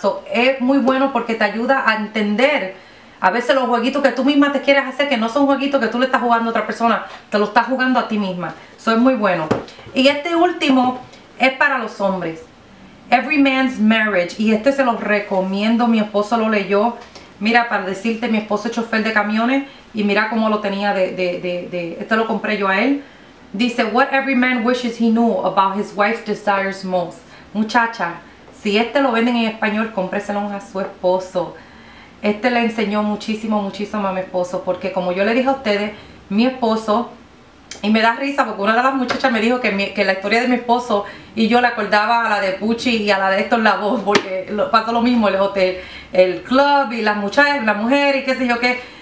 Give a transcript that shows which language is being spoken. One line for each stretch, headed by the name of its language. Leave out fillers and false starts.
Spanish: Eso es muy bueno porque te ayuda a entender a veces los jueguitos que tú misma te quieres hacer, que no son jueguitos que tú le estás jugando a otra persona, te lo estás jugando a ti misma. Eso es muy bueno. Y este último es para los hombres. Every Man's Marriage. Y este se lo recomiendo. Mi esposo lo leyó. Mira, para decirte, mi esposo es chofer de camiones y mira cómo lo tenía de este lo compré yo a él. Dice,
English: What every man wishes he knew about his wife's desires most.
Spanish: Muchacha, si este lo venden en español, cómpreselo a su esposo. Este le enseñó muchísimo, muchísimo a mi esposo. Porque como yo le dije a ustedes, mi esposo, y me da risa porque una de las muchachas me dijo que la historia de mi esposo y yo le acordaba a la de Pucci y a la de Héctor Lavoe, porque pasó lo mismo, el hotel, el club y las muchachas, la mujer y qué sé yo qué.